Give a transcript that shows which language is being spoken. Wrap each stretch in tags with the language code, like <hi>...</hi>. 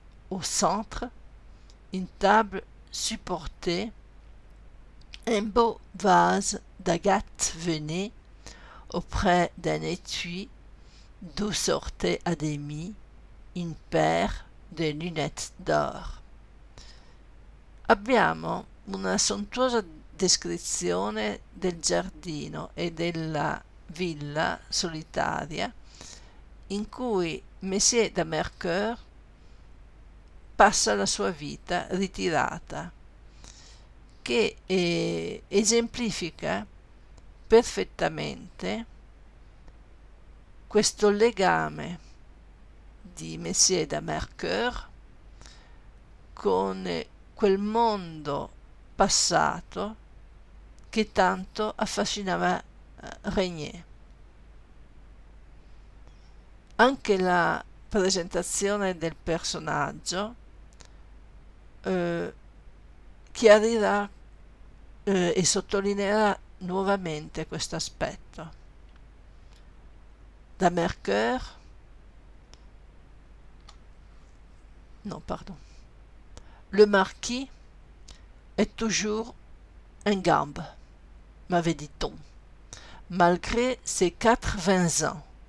<fr>Au centre, une table supportée, un beau vase d'agate veinée auprès d'un étui d'où sortait à demi une paire de lunettes d'or.</fr> <it>Abbiamo una sontuosa descrizione del giardino e della villa solitaria in cui Monsieur de Mercœur passa la sua vita ritirata, che esemplifica perfettamente questo legame di Monsieur de Mercœur con quel mondo passato che tanto affascinava Regnier. Anche la presentazione del personaggio chiarirà e sottolineerà nuovamente questo aspetto.</it> <fr>Da Mercœur, non, pardon, le marquis est toujours un gambe, m'avait dit-on, malgré ses 80 ans.</fr>